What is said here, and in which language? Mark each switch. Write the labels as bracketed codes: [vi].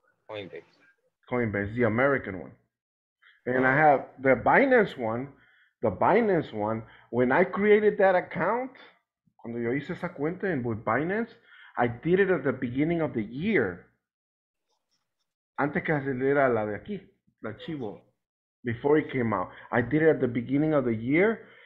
[en] Coinbase. Coinbase, the American one. And I Oh. have the Binance one, when I created that account, [es] cuando yo hice esa cuenta [en] and with Binance, I did it at the beginning of the year. [es] Antes que saliera la de aquí, la Chivo, [en] before it came out. I did it at the beginning of the year.